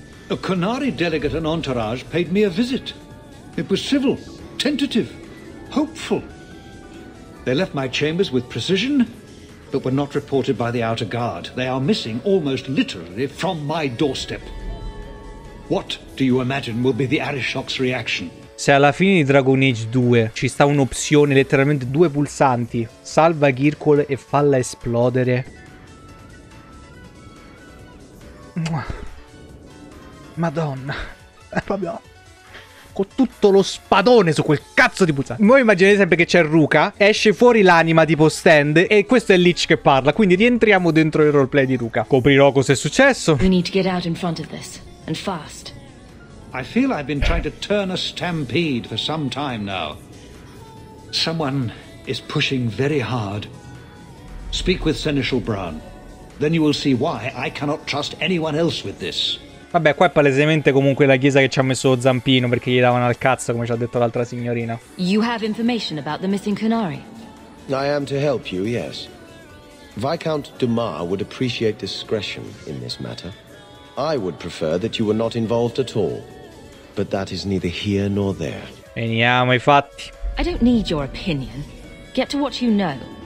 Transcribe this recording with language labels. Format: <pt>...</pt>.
<en>A Qunari delegate and entourage paid me a visit. It was civil, tentative, hopeful. They left my chambers with precision, but were not reported by the outer guard. They are missing almost literally from my doorstep. What do you imagine will be the Arishok's reaction?</en> <it>Se alla fine di Dragon Age 2 ci sta un'opzione, letteralmente due pulsanti, salva Ghirkul e falla esplodere. Madonna, è proprio... con tutto lo spadone su quel cazzo di pulsante. Voi immaginate sempre che c'è Ruka, esce fuori l'anima tipo Stand e questo è Lich che parla, quindi rientriamo dentro il roleplay di Ruka. Coprirò cosa è successo.</it> <en>We need to get out in front of this and fast. I feel I've been trying to turn a stampede for some time now. Someone is pushing very hard. Speak with Seneschal Bran. Then you will see why I cannot trust anyone else with this.</en> <it>Vabbè, qua è palesemente comunque la chiesa che ci ha messo lo zampino, perché gli davano al cazzo, come ci ha detto l'altra signorina.</it> <en>You have information about the missing Canari. I am to help you, yes. Viscount Dumas would appreciate discretion in this matter. I would prefer that you were not involved at all. But that is neither here nor there.</en> <it>Veniamo ai fatti.</it> <en>I don't need your opinion. Get to what you know.</en>